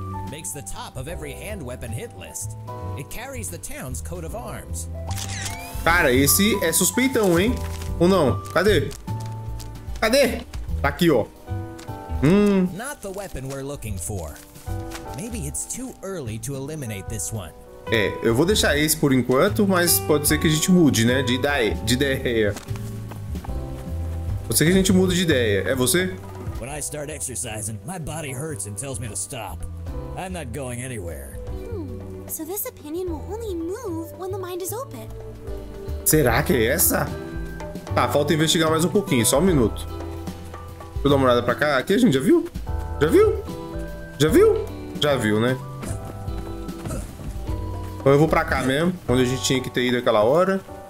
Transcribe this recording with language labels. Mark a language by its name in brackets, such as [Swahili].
[English] Makes the top of every hand weapon hit list. It carries the town's coat of arms. [Portuguese] Cara, esse é suspeitão, hein? Ou não? Cadê? Cadê? Tá aqui, ó. [English] Not the weapon we're looking for. Maybe it's too early to eliminate this one. [Portuguese] É, eu vou deixar esse por enquanto, mas pode ser que a gente mude, né? De ideia. Pode ser que a gente mude de ideia. É você? [English] When I start exercising, my body hurts and tells me to stop. I'm not going anywhere. So this opinion will only move when the mind is open. [Portuguese] Será que é essa? Tá, falta investigar mais um pouquinho, só um minuto. Deixa eu dar uma olhada pra cá. Aqui, gente, já viu? Já viu? Já viu? já viu, né? Então eu vou pra cá mesmo, onde a gente tinha que ter ido aquela hora.